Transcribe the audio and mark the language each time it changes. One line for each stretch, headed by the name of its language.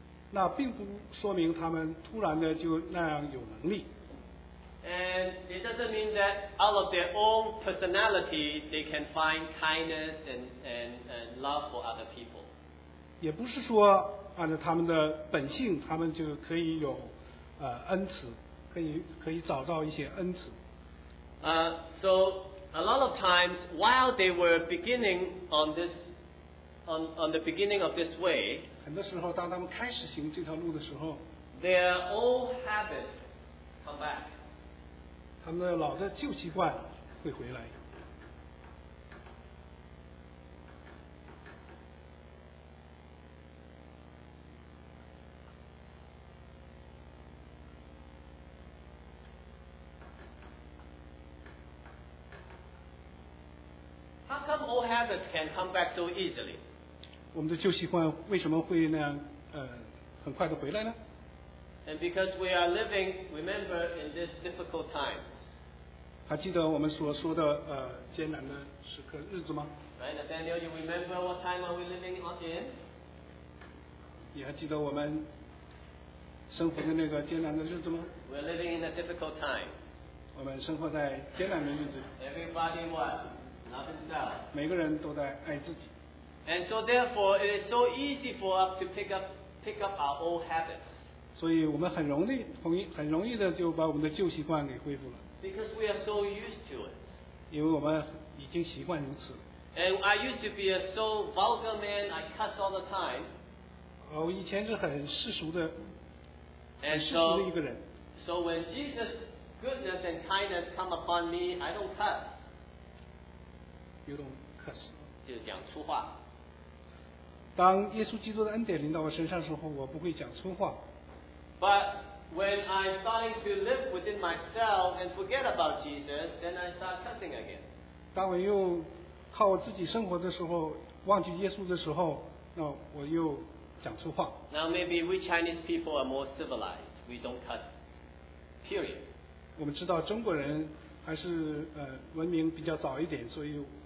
Chinese: 那并不说明他们突然的就那样有能力。
English: And it doesn't mean that out of their own personality, they can find kindness and love for other people.
Chinese: 也不是说按照他们的本性，他们就可以有恩慈，可以找到一些恩慈。
English: So a lot of times while they were beginning on the beginning of this way,
Chinese: 很多时候当他们开始行这条路的时候，
English: their old habits come back.
Chinese: 他们的老的旧习惯会回来。
English: Old habits can come back so easily. And because we are living, remember, in this difficult times.
Chinese: 还记得我们所说的艰难的时刻日子吗？
English: Right, Nathaniel, you remember what time are we living in?
Chinese: 你还记得我们生活的那个艰难的日子吗？
English: We're living in a difficult time.
Chinese: 我们生活在艰难的日子。
English: Everybody what?
Chinese: 每个人都在爱自己。
English: And so therefore, it is so easy for us to pick up our old habits.
Chinese: 所以我们很容易的就把我们的旧习惯给恢复了。
English: Because we are so used to it.
Chinese: 因为我们已经习惯如此。
English: And I used to be a so vulgar man, I cuss all the time.
Chinese: 我以前是很世俗的，很世俗的一个人。
English: So when Jesus' goodness and kindness come upon me, I don't cuss. You don't curse.
Chinese: 就是讲粗话。当耶稣基督的恩典临到我身上的时候，我不会讲粗话。
English: But when I'm starting to live within myself and forget about Jesus, then I start cussing again.
Chinese: 当我又靠我自己生活的时候，忘记耶稣的时候，那我又讲粗话。
English: Now maybe we Chinese people are more civilized. We don't curse. Period.
Chinese: 我们知道中国人还是文明比较早一点，所以。